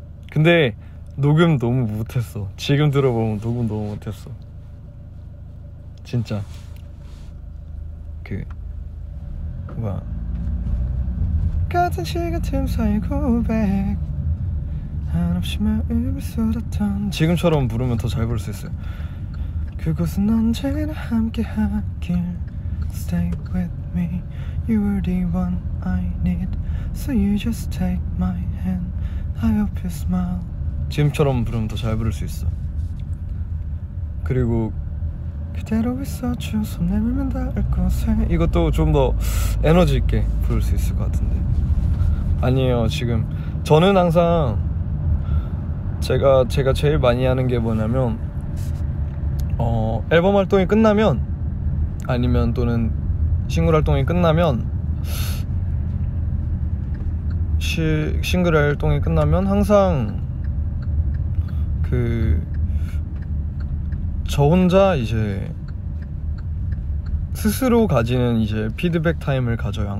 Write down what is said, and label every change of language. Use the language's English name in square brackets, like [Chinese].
[Korean] 근데 녹음 너무 못했어. 지금 들어보면 녹음 너무 못했어. 진짜 그 뭐야, 같은 시간 틈 사이 고백 한없이 마음을 쏟았던, 지금처럼 부르면 더 잘 부를 수 있어요. 그곳은 언제나 함께하길, [English] Stay with me, You are the one I need, So you just take my hand, I hope you smile. [Korean] 지금처럼 부르면 더 잘 부를 수 있어. 그리고 그대로 있어줘, 손 내밀면 닿을 곳에, 이것도 좀 더 에너지 있게 부를 수 있을 것 같은데. 아니에요, 지금 저는 항상 제가 제일 많이 하는 게 뭐냐면, 앨범 활동이 끝나면, 아니면 또는 싱글 활동이 끝나면, 싱글 활동이 끝나면 항상 그 저 혼자 이제 스스로 가지는 이제 피드백 타임을 가져요.